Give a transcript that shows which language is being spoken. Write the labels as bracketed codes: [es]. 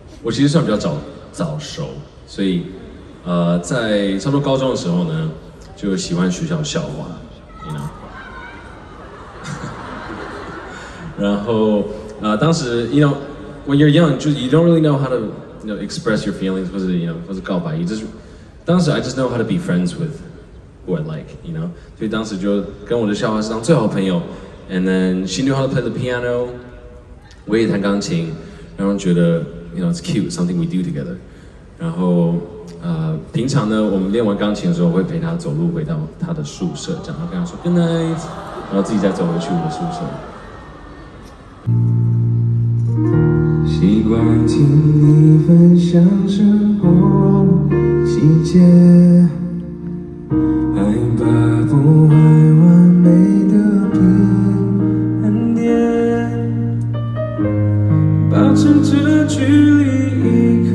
[zh] 其实算比较早熟，所以在差不多高中的时候呢，就喜欢学校校花，你呢？然后当时 ， you know， when you're young，就 you don't really know how to you know express your feelings，或者 you know 或者告白，就是当时 I just know how to be friends with who I like， you know， 所以当时就跟我的校花是当最好的朋友 ， and then she knew how to play the piano，我也弹钢琴，然后觉得。 [en] You know, it's cute, something we do together. [zh] 然后，平常呢，我们练完钢琴的时候，会陪他走路回到他的宿舍，这样跟他说 good night，然后自己再走回去我的宿舍。习惯听你分享生活细节，爱把不爱完美的比恩典，保持这距离。